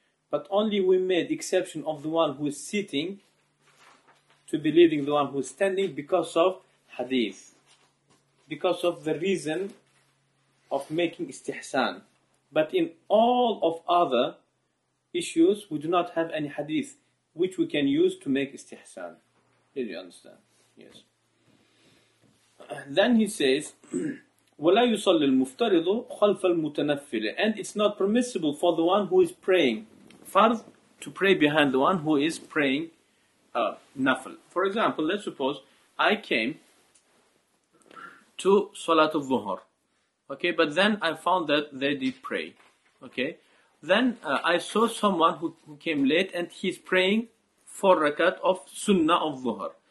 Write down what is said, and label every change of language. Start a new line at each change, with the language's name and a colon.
English: But only we made exception of the one who is sitting to be leading the one who is standing because of hadith, because of the reason of making istihsan. But in all of other issues, we do not have any hadith which we can use to make istihsan. Did you understand? Yes. Then he says,
Arabic: وَلَا يُصَلِّ الْمُفْتَرِضُ خَلْفَ الْمُتَنَفِّلِ.
English: And it's not permissible for the one who is praying fard to pray behind the one who is praying nafl. For example, let's suppose I came to Salat al-Dhuhr. Okay, but then I found that they did pray. Okay, then I saw someone who came late and he's praying four rakat of sunnah of Dhuhr.